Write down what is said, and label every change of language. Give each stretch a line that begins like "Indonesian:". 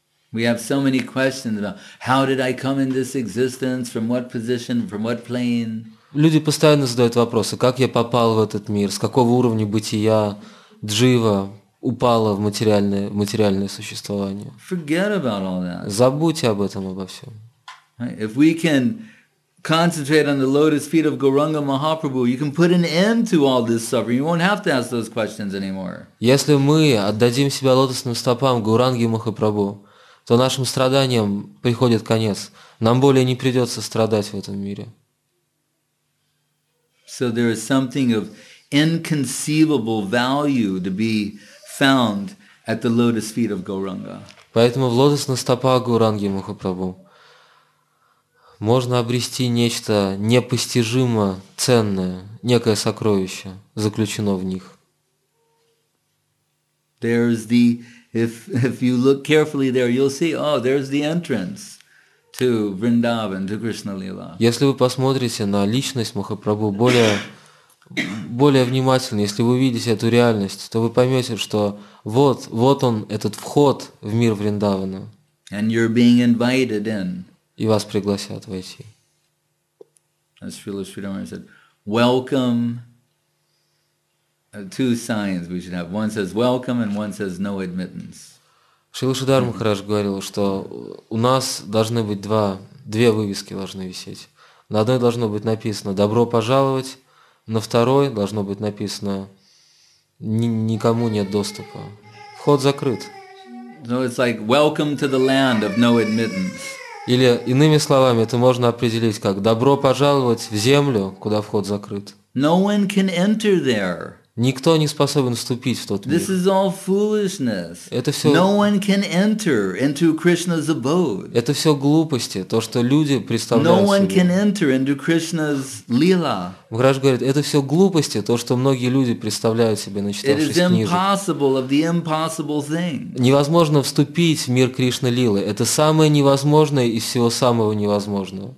English: We have so many questions about how did I come in this existence, from what position, from what plane.
Russian: Люди постоянно задают вопросы, как я попал в этот мир, с какого уровня бытия джива упала в материальное существование.
English: Forget about all that.
Russian: Забудьте об этом, обо всем.
English: If we can concentrate on the lotus feet of Gauranga Mahaprabhu, you can put an end to all this suffering. You won't have to ask those questions anymore.
Russian: Если мы отдадим себя лотосным стопам Гауранги Махапрабху, то нашим страданиям приходит конец. Нам более не придется страдать в этом мире.
English: So there is something of inconceivable value to be found at the lotus feet of Gauranga.
Russian: Поэтому в лотосных стопах Гауранги Махапрабху можно обрести нечто непостижимо ценное, некое сокровище заключено в них.
English: There's the if you look carefully there, you'll see, oh, there's the entrance to Vrindavan, to Krishna Lila.
Russian: Если вы посмотрите на личность Махапрабху более, более внимательно, если вы увидите эту реальность, то вы поймете, что вот, вот он, этот вход в мир Вриндавана.
English: And you're being invited in.
Russian: И вас пригласят войти.
English: As Srila Sridharma said, welcome. Two signs we should have. One says welcome and one says no admittance.
Russian: Шрила Шридхар Махарадж говорил, что у нас должны быть два, две вывески должны висеть. На одной должно быть написано «добро пожаловать», на второй должно быть написано «никому нет доступа». Вход закрыт.
English: So it's like welcome to the land of no admittance.
Russian: Или, иными словами, это можно определить как «добро пожаловать в землю, куда вход закрыт».
English: No one can enter there.
Russian: Никто не способен вступить в тот мир.
English: This is all foolishness.
Russian: Это все...
English: No one can enter into Krishna's abode.
Russian: Это все глупости, то, что люди представляют
English: no one
Russian: себе.
English: Can enter into Krishna's lila.
Russian: Махарадж говорит, это все глупости, то, что многие люди представляют себе, начитавшись книжек.
English: It is impossible of the impossible thing.
Russian: Невозможно вступить в мир Кришна-лилы. Это самое невозможное из всего самого невозможного.